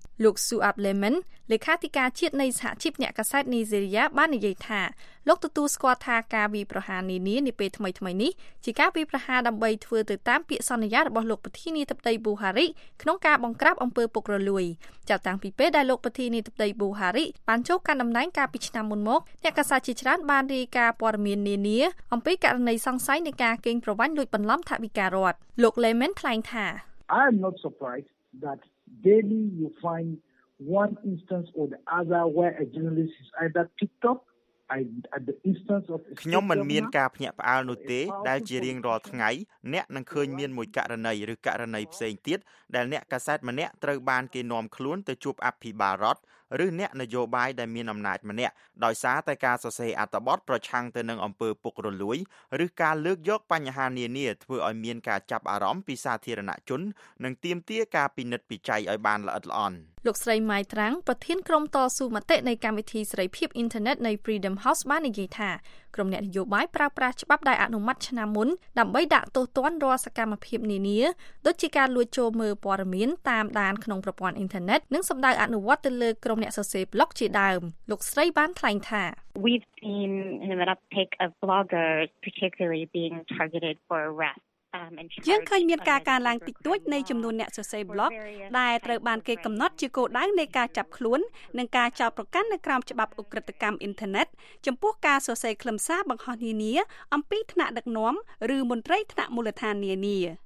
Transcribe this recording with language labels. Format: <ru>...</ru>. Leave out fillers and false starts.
<km>លោកស៊ូអាប់លេមិនលេខាធិការជាតិនៃសហជីពអ្នកកសែតនីជេរីយ៉ាបាននិយាយថាលោកទទួលស្គាល់ថាការវាយប្រហារនានានាពេលថ្មីៗនេះជាការវាយប្រហារដើម្បីធ្វើទៅតាមពាក្យសន្យារបស់លោកប្រធានាធិបតីប៊ូហារីក្នុងការបង្ក្រាបអំពើពុករលួយចាប់តាំងពីពេលដែលលោកប្រធានាធិបតីប៊ូហារីបានចូលកាន់តំណែងកាលពីឆ្នាំមុនមកអ្នកកសែតជាច្រើនបានរាយការណ៍ព័ត៌មាននានាអំពីករណីសង្ស័យនៃការកេងប្រវ័ញ្ចលួចបន្លំថវិការដ្ឋលោកលេមែនថ្លែងថា</km> <en>I am not surprised that daily you find one instance or the other where a journalist is either picked up</en> <km>ខ្ញុំមិនមានការភ្ញាក់ផ្អើលនោះទេដែលជារៀងរាល់ថ្ងៃអ្នកនឹងឃើញមានមួយករណីឬករណីផ្សេងទៀតដែលអ្នកកាសែតម្នាក់ត្រូវបានគេនាំខ្លួនទៅជួបអភិបាលរដ្ឋឬអ្នកនយោបាយដែលមានអំណាចម្នាក់ដោយសារតែការសរសេរអត្ថបទប្រឆាំងទៅនឹងអំពើពុករលួយឬការលើកយកបញ្ហានានាធ្វើឲ្យមានការចាប់អារម្មណ៍ពីសាធារណជននិងទាមទារការពិនិត្យពិច័យឲ្យបានល្អិតល្អន់លោកស្រីម៉ៃត្រាំងប្រធានក្រុមតស៊ូមតិនៃកម្មវិធីសេរីភាពអ៊ីនធឺណិតនៃ Freedom House បាននិយាយថាក្រុមអ្នកនយោបាយប្រើប្រាស់ច្បាប់ដែលអនុម័តឆ្នាំមុនដើម្បីដាក់ទោសទណ្ឌរាល់សកម្មភាពនានាដូចជាការលួចចូលមើលព័ត៌មានតាមដានក្នុងប្រព័ន្ធអ៊ីនធឺណិតនិងសម្ដៅអនុវត្តទៅលើក្រុមអ្នកសរសេរប្លុកជាដើមលោកស្រីបានថ្លែងថា</km> <en>We've seen an uptick of bloggers particularly being targeted for arrest.</en> <km>យើងឃើញមានការកើនឡើងតិចតួចនៃចំនួនអ្នកសរសេរប្លុកដែលត្រូវបានគេកំណត់ជាគោលដៅនៃការចាប់ខ្លួននិងការចោទប្រកាន់នៅក្រោមច្បាប់អុក្រិតកម្មអ៊ីនធឺណិតចំពោះការសរសេរខ្លឹមសារបង្ហោះនានាអំពីថ្នាក់ដឹកនាំឬមន្ត្រីថ្នាក់មូលដ្ឋាននានា</km>